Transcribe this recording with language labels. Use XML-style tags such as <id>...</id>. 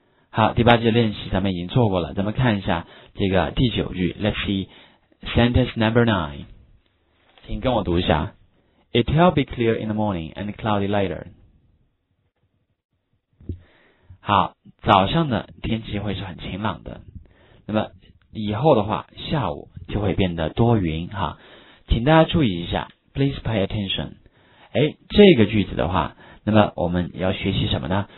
<zh>好，第八句练习咱们已经做过了，咱们看一下这个第九句。</zh> <en>Let's see sentence number 9，</en> <zh>请跟我读一下。</zh> <en>It'll be clear in the morning and cloudy later。</en> <zh>好，早上的天气会是很晴朗的，那么以后的话，下午就会变得多云哈。请大家注意一下 ，</zh> <en>Please pay attention。</en> <zh>哎，这个句子的话，那么我们要学习什么呢？</zh>